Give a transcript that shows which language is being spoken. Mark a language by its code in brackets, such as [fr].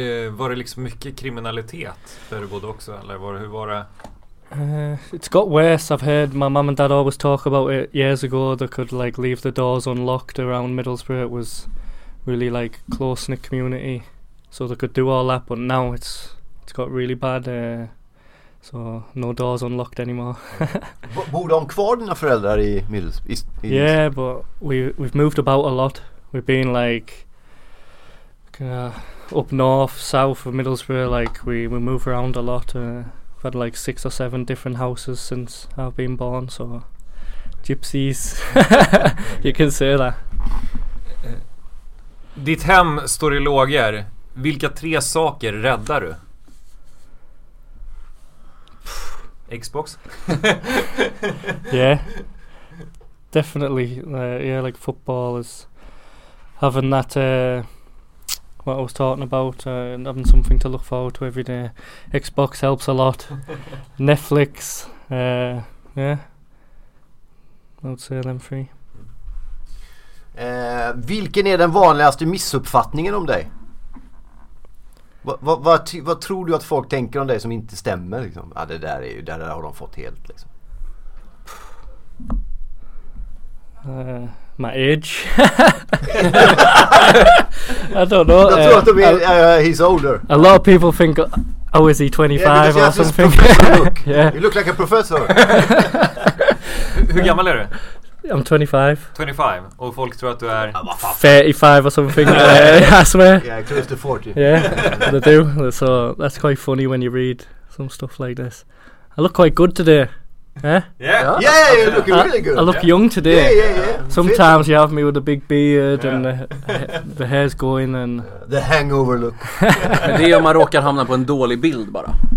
[sv] Var det liksom mycket kriminalitet där du bodde också, eller hur var det? [en] It's got worse. I've heard my mum and dad always talk about it years ago. They could like leave the doors unlocked around Middlesbrough. It was really like close-knit community, so they could do all that, but now it's got really bad. So no doors unlocked anymore. [sv] Bor de kvar dina föräldrar i Middlesbrough? [en] Yeah, but we've moved about a lot. We've been like up north, south of Middlesbrough. Like we move around a lot. We've had like 6 or 7 different houses since I've been born. So gypsies, you can say that. [sv] Ditt hem står i lågor. Vilka tre saker räddar du? [en] Xbox. Yeah, definitely. Yeah, like football is having that. What I was talking about, having something to look forward to every day. Xbox helps a lot. Netflix. Yeah, I would say them three. [sv] Vilken är den vanligaste missuppfattningen om dig? Vad tror du att folk tänker om dig som inte stämmer? Liksom? Ja, det där är ju det där har de fått helt. Liksom. [en] My age. I don't know. [sv] Jag tror att de är [en] he's older. A lot of people think, oh, is he 25 or something? Look. Yeah. You look like a professor. [sv] Hur gammal är du? [en] I'm 25. [sv] 25. Och folk tror att du är [en] 35 or something. I swear. Yeah, close to 40. Yeah, they do. So that's quite funny when you read some stuff like this. I look quite good today. Yeah. Yeah. Yeah. You're looking really good. I look young today. Yeah, yeah, yeah. Sometimes you have me with a big beard and the hair's going and the hangover look. [sv] Det är om man råkar hamna på en dålig bild bara.